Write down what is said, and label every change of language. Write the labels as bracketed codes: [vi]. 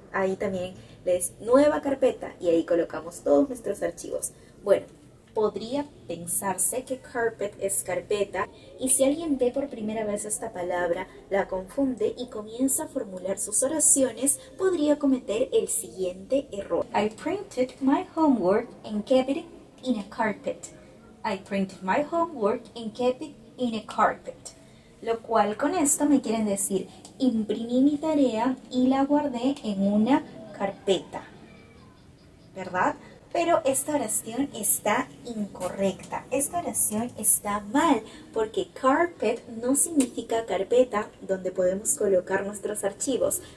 [es] Ahí también les nueva carpeta y ahí colocamos todos nuestros archivos. Bueno, podría pensarse que carpet es carpeta, y si alguien ve por primera vez esta palabra, la confunde y comienza a formular sus oraciones, podría cometer el siguiente error. [en] I printed my homework and kept it in a carpet. I printed my homework and kept it in a carpet. [es] Lo cual con esto me quieren decir, imprimí mi tarea y la guardé en una carpeta. ¿Verdad? Pero esta oración está incorrecta, esta oración está mal, porque carpet no significa carpeta donde podemos colocar nuestros archivos.